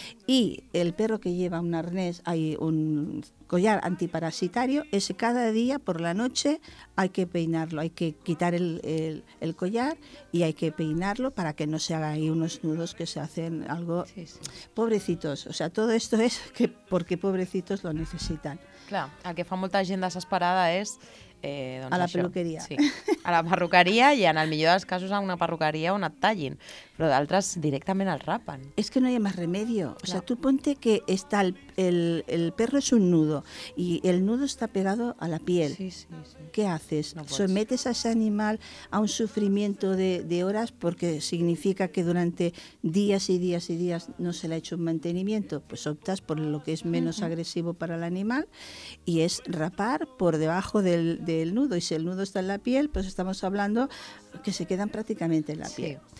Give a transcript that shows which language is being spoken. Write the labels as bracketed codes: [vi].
[es] Y el perro que lleva un arnés, hay un collar antiparasitario, ese cada día por la noche hay que peinarlo, hay que quitar el collar y hay que peinarlo para que no se haga ahí unos nudos que se hacen algo... Sí, sí. Pobrecitos, o sea, todo esto es que porque pobrecitos lo necesitan. [ca] Claro, el que fa molta gent desesperada és... a la perruqueria. Sí, a la perruqueria i en el millor dels casos a una perruqueria on et tallin, però d'altres directament el rapen. És que no hi ha més [es] remedio. O sea, tu ponte que està el perro és un nudo i el nudo està pegado a la piel. Sí, sí, sí. ¿Qué haces? No sometes a ese animal a un sufrimiento de horas porque significa que durante días y días y días no se le ha hecho un mantenimiento. Pues optas por lo que es menos agresivo para el animal y es rapar por debajo del nudo, y si el nudo está en la piel, pues estamos hablando que se quedan prácticamente en la piel.